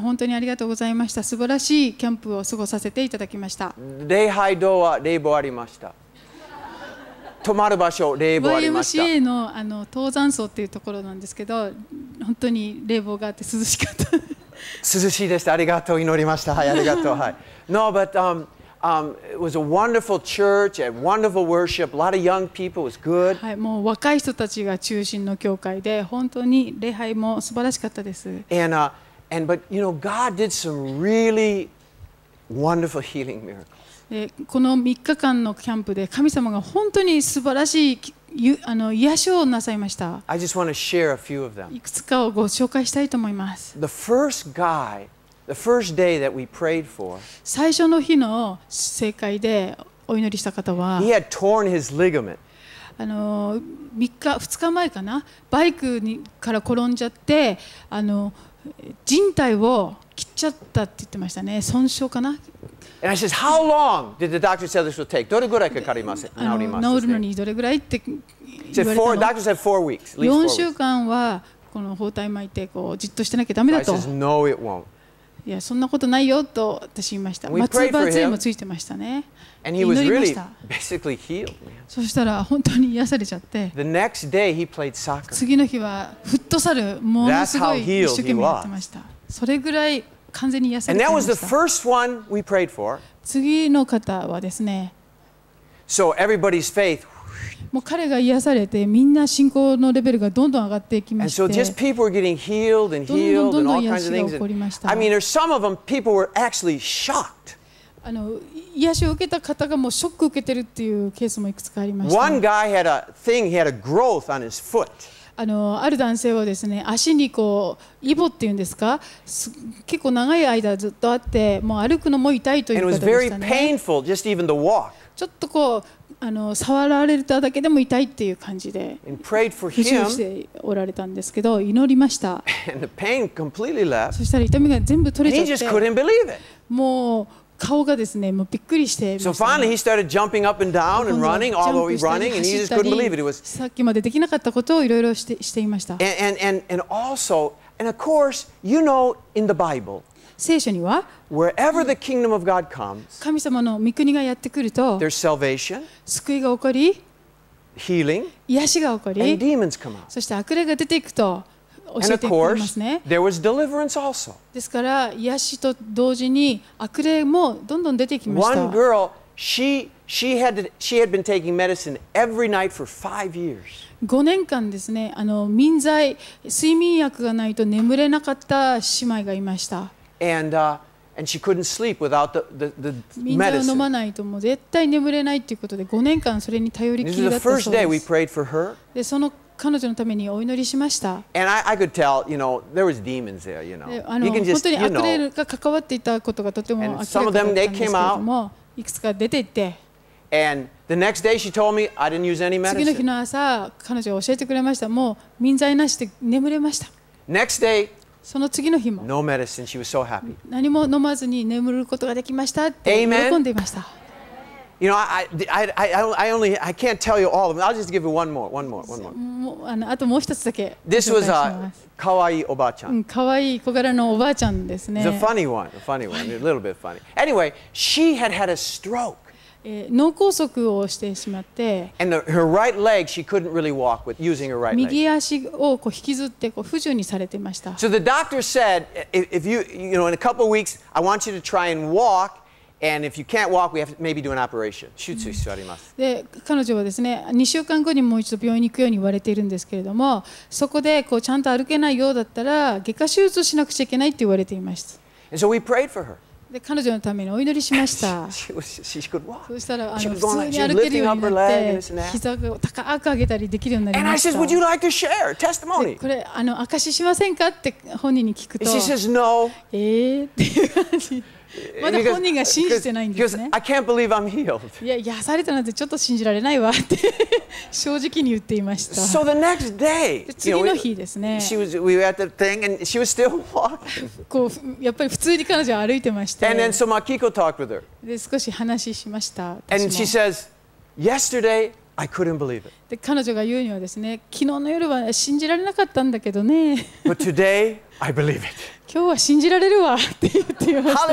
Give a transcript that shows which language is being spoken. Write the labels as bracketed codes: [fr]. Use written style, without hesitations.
[ja] 本当にありがとうございました。素晴らしいキャンプを過ごさせていただきました。礼拝堂は冷房ありました。泊まる場所冷房ありました。 YMCA の、 あの登山層っていうところなんですけど、本当に冷房があって涼しかった。涼しいでした。ありがとう。祈りました。はい、ありがとう。はい。 [en] No, but it was a wonderful church and wonderful worship. A lot of young people. It was good. [ja] はい、もう若い人たちが中心の教会で、本当に礼拝も素晴らしかったです。 [en] And but you know, God did some really wonderful healing miracles. [ja] この3日間のキャンプで神様が本当に素晴らしい癒しをなさいました。 [en] I just want to share a few of them. [ja] いくつかをご紹介したいと思います。 [en] The first guy, the first day that we prayed for, [ja] 最初の日の聖会でお祈りした方は、 [en] He had torn his ligament. [ja] 2日前かな、バイクにから転んじゃって、靭帯を切っちゃったって言ってましたね。損傷かな。 [en] And I says, how long did the doctor say this will take? [ja] どれぐらいかかります？治るのにどれぐらいって言われたの？ [en] The doctor said 4 weeks. [ja] 四週間はこの包帯巻いてこうじっとしてなきゃダメだと。 [en] I says, no, it won't. [ja] いやそんなことないよと私言いました。 [en] We prayed for him. [ja] 松葉杖もついてましたね。 [en] And he was really basically healed. [ja] そしたら本当に癒されちゃって。 [en] The next day he played soccer. [ja] 次の日はフットサルものすごい一生懸命やってました。それぐらい。 [en] And that was the first one we prayed for. [ja] 次の方はですね。 [en] So everybody's faith. [ja] もう彼が癒されてみんな信仰のレベルがどんどん上がっていきまして。 [en] And so just people were getting healed and healed [ja] どんどんどんどん [en] and all kinds of things. And, I mean, there's some of them people were actually shocked. [ja] 癒しを受けた方がもうショック受けてるっていうケースもいくつかありました。 [en] One guy had a thing. He had a growth on his foot. [ja] ある男性はですね、足にこうイボっていうんですか、結構長い間ずっとあって、もう歩くのも痛いという方でしたね。ちょっとこう触られただけでも痛いっていう感じで、不自由しておられたんですけど、祈りました。 [en] And the pain completely left. [ja] そしたら痛みが全部取れちゃって、 [en] he just couldn't believe it. [ja] もう顔がですね、もうびっくりしてました [en] So finally he started jumping up and down and running, although he was running, and he just couldn't believe it. It was. [ja] さっきまでできなかったことをいろいろしていました。 [en] And also, and of course, you know, in the Bible, [ja] 聖書には、 [en] wherever the kingdom of God comes, [ja] 神様の御国がやってくると、 [en] there's salvation, [ja] 救いが起こり、 [en] healing, [ja] 癒しが起こり、 [en] and demons come out. [ja] そして悪霊が出ていくと。 [en] And of course, there was deliverance also. [ja] ですから癒しと同時に悪霊もどんどん出てきました。 [en] One girl, she had been taking medicine every night for 5 years. [ja] 5年間ですね、眠剤、睡眠薬がないと眠れなかった姉妹がいました。 [en] And she couldn't sleep without the medicine. [ja] みんな飲まないともう絶対眠れないということで、5年間それに頼りきりだったそうです。 [en] This is the first day we prayed for her. [ja] でその彼女のためにお祈りしました。 [en] And I could tell, you know, there was demons there, you know. You can just, you know. [ja] 本当に悪霊が関わっていたことがとても明らかだったんですけれども、 [en] some of them, they came out. [ja] いくつか出ていって。 [en] And the next day she told me I didn't use any medicine. [ja] 次の日の朝、彼女は教えてくれました。もう眠剤なしで眠れました。 [en] Next day, [ja] その次の日も、 [en] no medicine, she was so happy. [ja] 何も飲まずに眠ることができましたって喜んでいました。 [en] You know, I can't tell you all of them. I'll just give you one more. [ja] あともう一つだけ。 [en] This was a kawaii obachan. [ja] Kawaii 小柄のおばあちゃんですね。 [en] The funny one, a little bit funny. Anyway, she had a stroke. [ja] 脳梗塞をしてしまって。 [en] And her right leg, she couldn't really walk with using her right leg. [ja] 右足をこう引きずってこう不自由にされていました。 [en] So the doctor said, if you know, in a couple of weeks, I want you to try and walk. And if you can't walk, we have to maybe do an operation. [ja] 手術しております。で、彼女はですね、2週間後にもう一度病院に行くように言われているんですけれども、そこでこうちゃんと歩けないようだったら、外科手術しなくちゃいけないって言われていました。 [en] And so we prayed for her. [ja] で、彼女のためにお祈りしました。 [en] she could walk. [ja] そしたら普通に歩けるようになって、膝を高く上げたりできるようになりました。 [en] And I said, would you like to share testimony? [ja] これ、証ししませんかって本人に聞くと。 [en] She says, no. [ja] っていう感じ。まだ本人が信じてないんですね。 [en] I can't believe I'm healed. [ja] いや、癒されたなんてちょっと信じられないわって正直に言っていました。 [en] So the next day, [ja] 次の日ですね。 [en] We were at the thing and she was still walking. [ja] こうやっぱり普通に彼女は歩いてまして。 [en] And then so Makiko talked with her. [ja] で少し話しました。 [en] And she says, yesterday. I couldn't believe it. [ja] で彼女が言うにはですね、昨日の夜は信じられなかったんだけどね。 [en] But today, I believe it. [ja] 今日は信じられるわって言っていました。